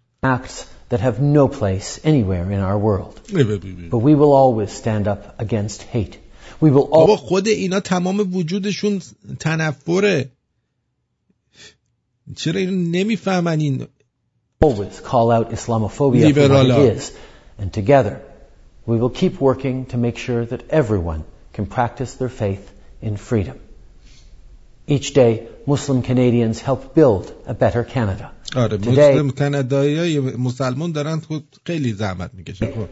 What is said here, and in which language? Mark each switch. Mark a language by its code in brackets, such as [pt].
[en] Acts that have no place anywhere in our world. But we will always stand up against hate. We will all... [fa] بابا خود اینا تمام وجودشون تنفره، چرا اینو نمیفهمن؟ این [en] always call out Islamophobia for what it is, and together we will keep working to make sure that everyone can practice their faith in freedom. Each day Muslim Canadians help build a better Canada. Today, Muslim Canadians, [fa] مسلمان دارن خیلی زحمت میکشن.